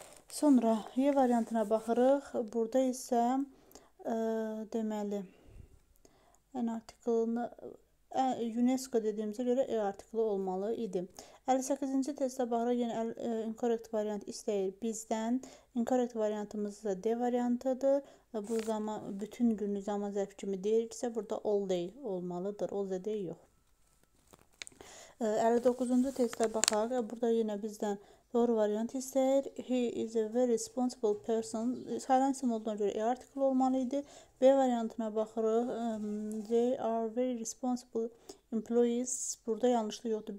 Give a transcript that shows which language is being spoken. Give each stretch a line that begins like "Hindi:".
Azerbaijani: Sonra Y variantına baxırıq. Burada isə deməli N artıqlı UNESCO dediyimizə görə E artıqlı olmalı idi. 58-ci testə baxırıq. Yenə incorrect variant istəyir bizdən. Incorrect variantımız da D variantıdır. Bu zaman bütün günü zaman zərfi kimi deyiriksə burada all day olmalıdır. All the day yox. 59-cu testə baxaq. Burada yenə bizdən doğru variant istəyir.
English: He is a very responsible person.
Azerbaijani: Sayılan isim olduğuna görə E artıqlı olmalı idi. B variantına baxırıq.
English: They are very responsible employees.
Azerbaijani: Burada yanlışlıq yoxdur.